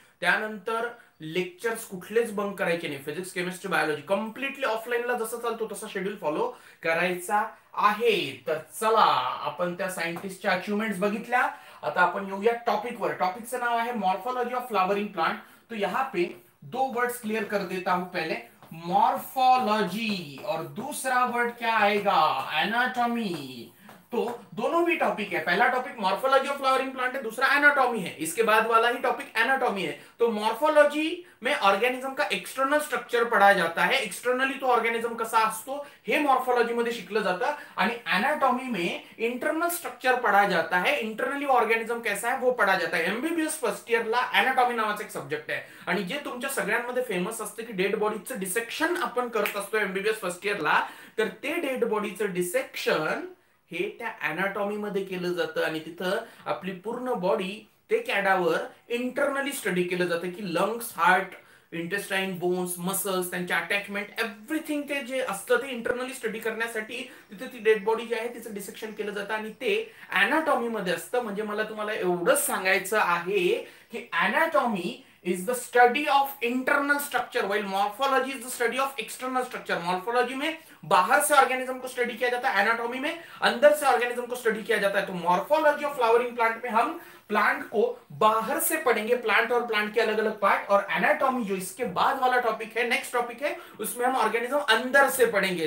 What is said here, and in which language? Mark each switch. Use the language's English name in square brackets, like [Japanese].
[Marathi] त्यानंतर लेक्चर्स कुठलेच बंक करायचे नाही, फिजिक्स केमिस्ट्री बायोलॉजी कम्प्लिटली ऑफलाईनला जसं चालतो तसा शेड्यूल फॉलो करायचा आहे. तर चला आपण त्या सायंटिस्टच्या अचीवमेंट बघितल्या, आता आपण येऊया टॉपिक वर. टॉपिकचं नाव आहे मॉर्फॉलॉजी ऑफ फ्लावरिंग प्लांट. [Hindi] तो यहाँ पे दो वर्ड्स क्लियर कर देता हूं, पहले मॉर्फोलॉजी और दूसरा वर्ड क्या आएगा, एनाटॉमी. तो दोनों भी टॉपिक है, पहला topic morphology of flowering plant है, दूसरा एनाटॉमी है, इसके बाद वाला ही टॉपिक एनाटॉमी है. तो मॉर्फोलॉजी में ऑर्गेनिज्म का एक्सटर्नल स्ट्रक्चर पढ़ाया जाता है, एक्सटर्नली तो [Marathi] ऑर्गेनिज्म कसा असतो हे मॉर्फोलॉजी मध्ये शिकलं जातं, आणि [Hindi] एनाटॉमी में इंटरनल स्ट्रक्चर पढ़ाया जाता है, इंटरनली ऑर्गेनिज्म कैसा है वो पढ़ाया जाता है. [Marathi] एमबीबीएस फर्स्ट इयरला एनाटॉमी नावाचा एक सब्जेक्ट है, आणि जे तुमच्या सगळ्यांमध्ये फेमस असते की डेड बॉडीचं डिसेक्शन आपण करत असतो एमबीबीएस फर्स्ट इयरला, तर ते डेड बॉडीचं डिसेक्शन हे त्या एनाटॉमी मध्ये केलं जातं, आणि तिथं आपली पूर्ण बॉडी ते कॅडावर इंटरनली स्टडी केलं जातं की lungs, heart, intestine, bones, muscles, त्यांचे अटॅचमेंट, एव्हरीथिंग ते जे असतं ते इंटरनली स्टडी करण्यासाठी तिथे ती डेड बॉडी जी आहे तिचं डिसेक्शन केलं जातं, आणि ते एनाटॉमी मध्ये असतं. म्हणजे मला तुम्हाला एवढंच सांगायचं आहे की [English] Anatomy is the study of internal structure, while morphology is the study of external structure. [Hindi] Morphology में बाहर से ऑर्गेनिज्म को स्टडी किया जाता है, एनाटॉमी में अंदर से ऑर्गेनिज्म को स्टडी किया जाता है. तो मॉर्फोलॉजी ऑफ फ्लावरिंग प्लांट में हम प्लांट को बाहर से पढ़ेंगे, प्लांट और प्लांट के अलग अलग पार्ट, और एनाटॉमी जो इसके बाद वाला टॉपिक है, नेक्स्ट टॉपिक है, उसमें हम ऑर्गेनिज्म अंदर से पढ़ेंगे.